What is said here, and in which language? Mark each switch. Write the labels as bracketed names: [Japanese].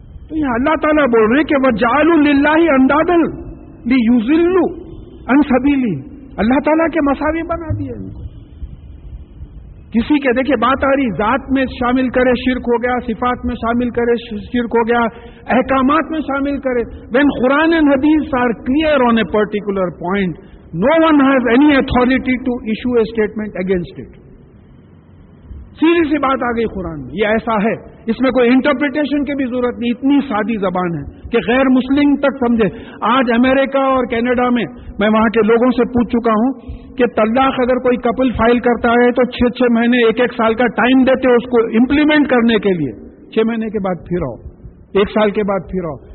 [Urdu] تو یہ اللہ تعالیٰ بول رہے کہ [Arabic] وَجَعَلُوا لِلَّهِ أَنْدَادًا لِيُضِلُّوا عَن سَبِيلِهِ, [Urdu] اللہ تعالیٰ کے مساوی بنا دیے ان کو. کسی کے دیکھے بات آ رہی, ذات میں شامل کرے شرک ہو گیا, صفات میں شامل کرے شرک ہو گیا, احکامات میں شامل کرے. [English] When Quran and hadith are clear on a particular point, no one has any authority to issue a statement against it. [Urdu] سیدھی سی بات آ گئی قرآن میں, یہ ایسا ہے, اس میں کوئی انٹرپریٹیشن کی بھی ضرورت نہیں, اتنی سادی زبان ہے کہ غیر مسلم تک سمجھے. آج امریکہ اور کینیڈا میں وہاں کے لوگوں سے پوچھ چکا ہوں کہ طلاق اگر کوئی کپل فائل کرتا ہے تو 6-6 مہینے ایک ایک سال کا ٹائم دیتے اس کو امپلیمنٹ کرنے کے لیے, 6 مہینے کے بعد پھر آؤ, 1 سال کے بعد پھر آؤ.